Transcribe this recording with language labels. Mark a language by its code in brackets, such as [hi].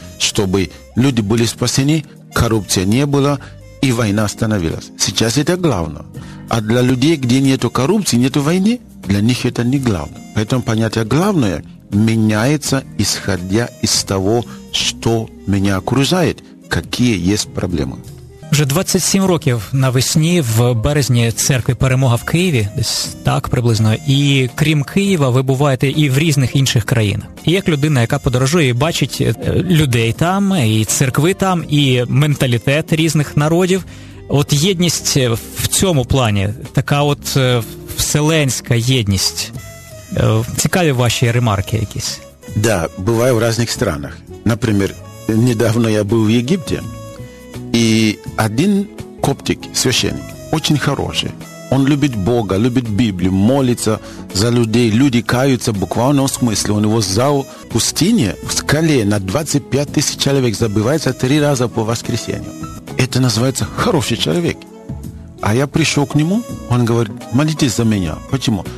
[ru] Чтобы люди были спасены, коррупции не было и война остановилась. Сейчас это главное. А для людей, где нет коррупции, нет войны, для них это не главное. Поэтому понятие «главное» меняется, исходя из того, что меня окружает, какие есть проблемы. [uk] Вже 27 років навесні, в березні, церкви «Перемога» в Києві, десь так приблизно, і крім Києва ви буваєте і в різних інших країнах. І як людина, яка подорожує і бачить людей там, і церкви там, і менталітет різних народів, от єдність в цьому плані, така от вселенська єдність, цікаві ваші ремарки якісь? Да, буває в різних странах. Наприклад, недавно я був в Єгипті, [ru] и один коптик, священник, очень хороший. Он любит Бога, любит Библию, молится за людей. Люди каются буквально в смысле. У него зал пустыни в скале на 25 тысяч человек забывается 3 раза по воскресенью. Это называется хороший человек. А я пришел к нему, он говорит, молитесь за меня. Почему?